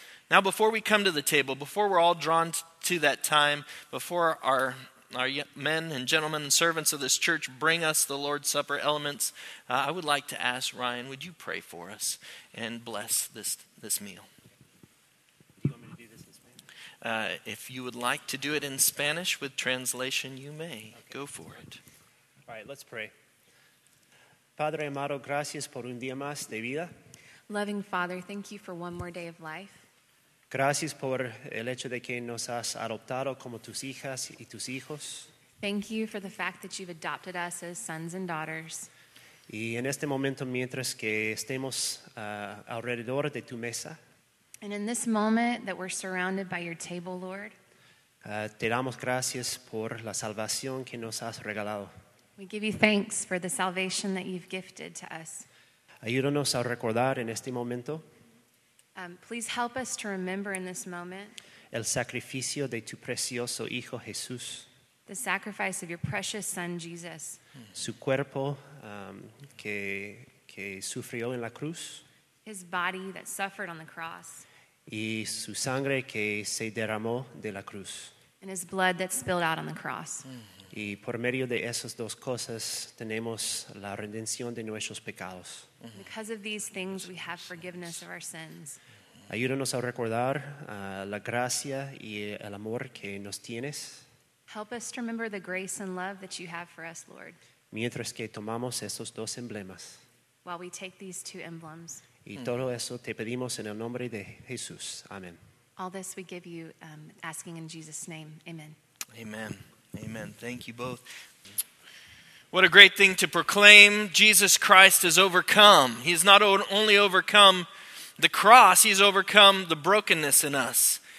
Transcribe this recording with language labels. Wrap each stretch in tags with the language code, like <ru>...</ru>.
<en>Now, before we come to the table, before we're all drawn to that time, before our men and gentlemen and servants of this church bring us the Lord's Supper elements, I would like to ask Ryan, would you pray for us and bless this meal? Do you want me to do this in Spanish? If you would like to do it in Spanish with translation, you may. Okay. Go for it. All right, let's pray.</en> <es>Padre amado, gracias por un día más de vida.</es> <en>Loving Father, thank you for one more day of life.</en> <es>Gracias por el hecho de que nos has adoptado como tus hijas y tus hijos.</es> <en>Thank you for the fact that you've adopted us as sons and daughters.</en> <es>Y en este momento, mientras que estemos alrededor de tu mesa.</es> <en>And in this moment that we're surrounded by your table, Lord.</en> <es>Te damos gracias por la salvación que nos has regalado.</es> <en>We give you thanks for the salvation that you've gifted to us.</en> <es>Ayúdanos a recordar en este momento.</es> <en>Please help us to remember in this moment</en> <es>el sacrificio de tu precioso hijo Jesús,</es> <en>the sacrifice of your precious son Jesus,</en> <es>su cuerpo que sufrió en la cruz,</es> <en>his body that suffered on the cross,</en> <es>y su sangre que se derramó de la cruz,</es> <en>and his blood that spilled out on the cross.</en> <es>Y por medio de esas dos cosas tenemos la redención de nuestros pecados.</es> <en>Because of these things, we have forgiveness of our sins.</en> <es>Ayúdanos a recordar la gracia y el amor que nos tienes.</es> <en>Help us to remember the grace and love that you have for us, Lord.</en> <es>Mientras que tomamos esos dos emblemas.</es> <en>While we take these two emblems.</en> <es>Y todo eso te pedimos en el nombre de Jesús. Amen.</es> <en>All this we give you, asking in Jesus' name. Amen. Amen. Amen. Thank you both. What a great thing to proclaim. Jesus Christ has overcome. He has not only overcome the cross, he has overcome the brokenness in us.</en>